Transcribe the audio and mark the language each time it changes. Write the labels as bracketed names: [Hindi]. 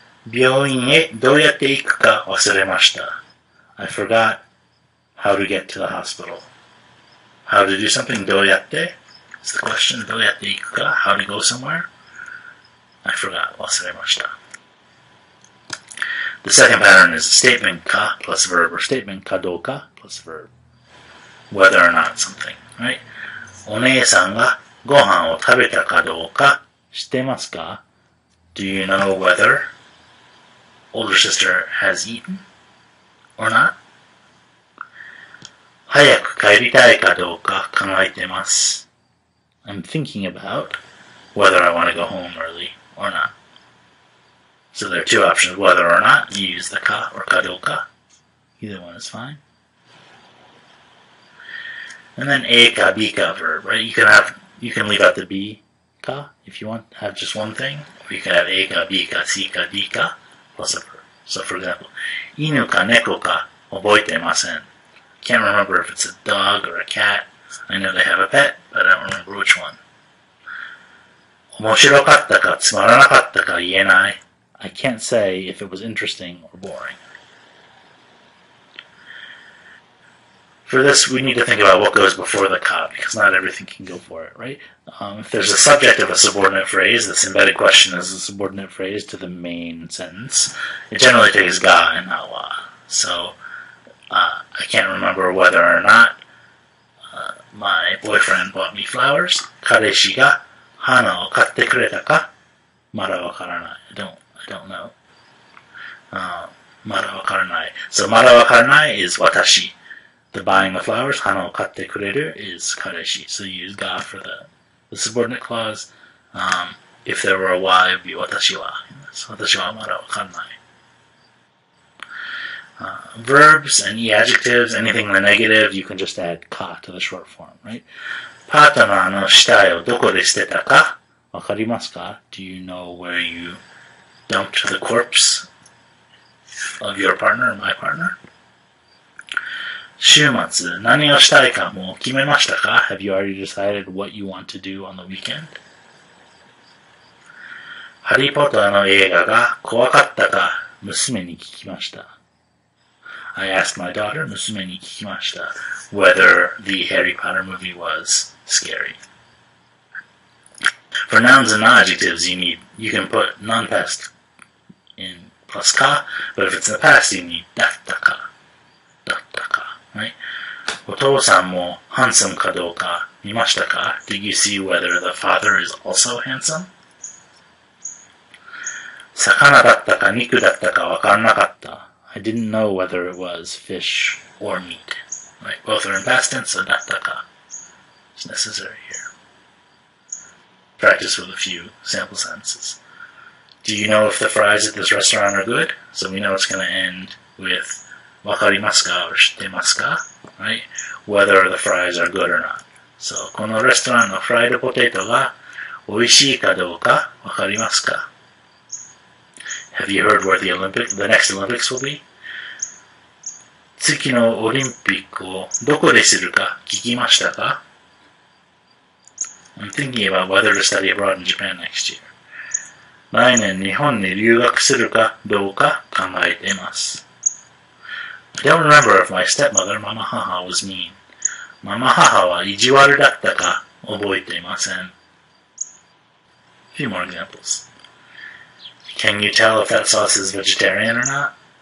[Japanese] 病院へどうやって行くか忘れました。 [English] I forgot how to get to the hospital. How to do something? どうやって?It's the question. [Japanese] どうやって行くか [English] How to go somewhere? I forgot. [Japanese] 忘れました。 [English] The second pattern is statement ka plus verb, or statement ka dou ka plus verb. Whether or not something, right? [Japanese] お姉さんがご飯を食べたかどうか知ってますか? [English] Do you know whether older sister has eaten or not? [Japanese] 早く帰りたいかどうか考えてます。 [English] I'm thinking about whether I want to go home early or not. So there are two options, whether or not you use the ka or kadoka. Either one is fine. And then a ka, b ka verb, right? You can leave out the b ka if you want, have just one thing. Or you can have a ka, b ka, c ka, d ka plus a verb. So for example, [Japanese] 犬か猫か覚えてません. [English] Can't remember if it's a dog or a cat. I know they have a pet, but I don't remember which one. [Japanese] 面白かったかつまらなかったか言えない。 [English] I can't say if it was interesting or boring. For this, we need to think about what goes before the ka, because not everything can go for it, right? If there's a subject of a subordinate phrase, this embedded question is a subordinate phrase to the main sentence. It generally takes ga and not wa. So, I can't remember whether or not my boyfriend bought me flowers. [Japanese] 彼氏が花を買ってくれたかまだわからない。 [English] I don't know. [Japanese] まだわからない。 [English] So, [Japanese] まだわからない [English] is 私.The buying of flowers, [Japanese] 花を買ってくれる [English] is 彼氏. So, you use が for the subordinate clause. If there were a why, it would be 私は. [Japanese] So, 私はまだわからない。 [English] Verbs, any adjectives, anything in the negative, you can just add かto the short form, right? [Japanese] パートナーの死体をどこで捨てたかわかりますか? [English] Do you know where you... Dumped the corpse of your partner, my partner. [Japanese] 週末、何をしたいかもう決めましたか? [English] Have you already decided what you want to do on the weekend? [Japanese] ハリーポッターの映画が怖かったか娘に聞きました。 [English] I asked my daughter, [Japanese] 娘に聞きました, [English] whether the Harry Potter movie was scary. For nouns and non-adjectives, you can put non-past in plus ka, but if it's in the past, you need datta ka. Datta ka, right? [Japanese] お父さんもハンサムかどうか見ましたか? [English] Did you see whether the father is also handsome? [Japanese] 魚だったか肉だったかわからなかった。 [English] I didn't know whether it was fish or meat. Right, both are in past tense, so だったか is necessary here. Practice with a few sample sentences. Do you know if the fries at this restaurant are good? So we know it's going to end with わかりますか or 知ってますか?Right? Whether the fries are good or not. So, [Japanese] この restaurant のフライドポテトが美味しいかどうかわかりますか? [English] Have you heard where the next Olympics will be? [Japanese] 次のオリンピックをどこでするか聞きましたか? [English] I'm thinking about whether to study abroad in Japan next year. [Japanese] 来年日本に留学するかどうか考えています。 [English] I don't remember if my stepmother, mama, haha, was mean. [Japanese] Mama, haha, は意地悪だったか覚えていません。 [English] A few more examples. Can you tell if that sauce is vegetarian or not?